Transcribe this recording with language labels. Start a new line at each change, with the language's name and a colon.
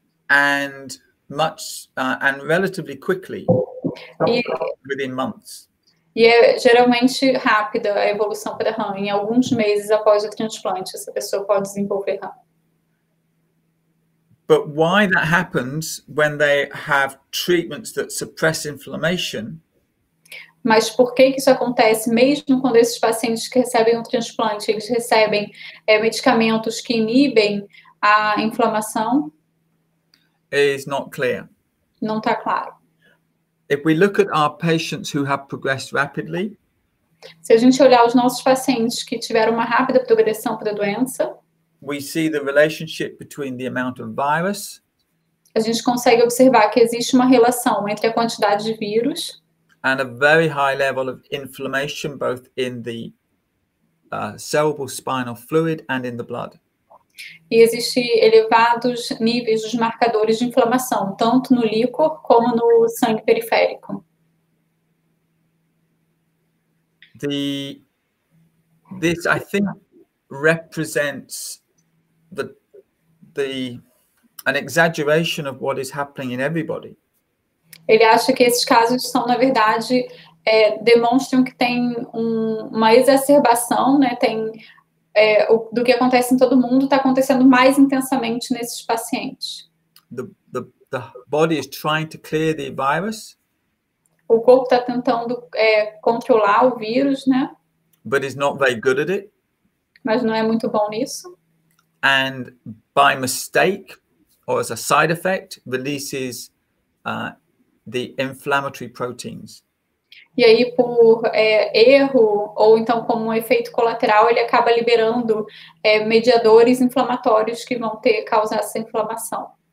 English: And much and relatively quickly. Within months.
Portuguese: E é geralmente rápida a evolução para RAM. Em alguns meses após o transplante, essa pessoa pode desenvolver RAM.
English: But why that happens when they have treatments that suppress inflammation?
Portuguese: Mas por que que isso acontece mesmo quando esses pacientes que recebem um transplante, eles recebem medicamentos que inibem a inflamação?
English: It's not clear.
Portuguese: Não está claro.
English: If we look at our patients who have progressed rapidly,
Portuguese: se a gente olhar os nossos pacientes que tiveram uma rápida progressão para a doença,
English: we see the relationship between the amount of virus,
Portuguese: a gente consegue observar que existe uma relação entre a quantidade de vírus
English: and a very high level of inflammation both in the cerebral spinal fluid and in the blood.
Portuguese: E existem elevados níveis dos marcadores de inflamação, tanto no líquor como no sangue periférico.
English: This, I think, represents an exaggeration of what is happening in everybody.
Portuguese: Ele acha que esses casos são, na verdade, demonstram que tem uma exacerbação, né? Tem do que acontece em todo mundo, está acontecendo mais intensamente nesses pacientes.
English: The body is trying to clear the virus.
Portuguese: O corpo está tentando controlar o vírus, né?
English: But it's not very good at it.
Portuguese: Mas não é muito bom nisso.
English: And by mistake, or as a side effect, releases the inflammatory proteins.
Portuguese: E aí, por erro, ou então como um efeito colateral, ele acaba liberando mediadores inflamatórios que vão causar essa inflamação.